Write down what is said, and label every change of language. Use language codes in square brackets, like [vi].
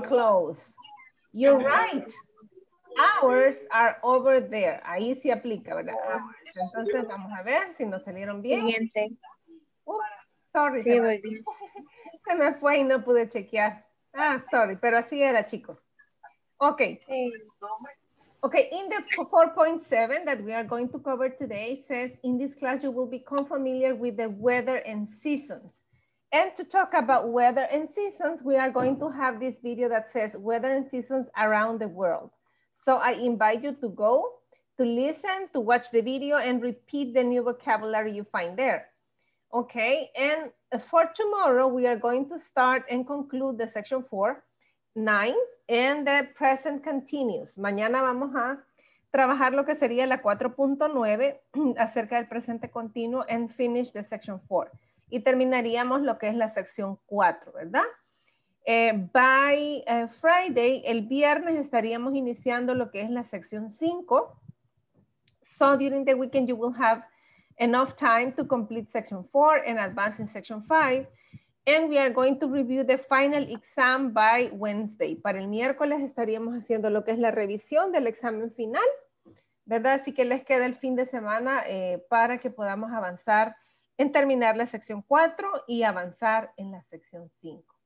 [en] clothes. You're right. Ours are over there. [es] Ahí sí aplica, ¿verdad? Ours. Entonces vamos a ver si nos salieron bien. Siguiente. [en] Oops, sorry. [es] Sí, se me fue y no pude chequear. Ah, sorry, pero así era, chicos. Ok. [en] Ok, in the 4.7 that we are going to cover today says, in this class you will become familiar with the weather and seasons. And to talk about weather and seasons, we are going to have this video that says weather and seasons around the world. So I invite you to go, to listen, to watch the video and repeat the new vocabulary you find there. Okay, and for tomorrow, we are going to start and conclude the section 4.9 and the present continuous. [es] Mañana vamos a trabajar lo que sería la 4.9 acerca del presente continuo [en] and finish the section 4. [es] Y terminaríamos lo que es la sección 4, ¿verdad? [en] By Friday, [es] el viernes estaríamos iniciando lo que es la sección 5. [en] So during the weekend you will have enough time to complete section 4 and advance in section 5. And we are going to review the final exam by Wednesday. [es] Para el miércoles estaríamos haciendo lo que es la revisión del examen final, ¿verdad? Así que les queda el fin de semana para que podamos avanzar en terminar la sección 4 y avanzar en la sección 5.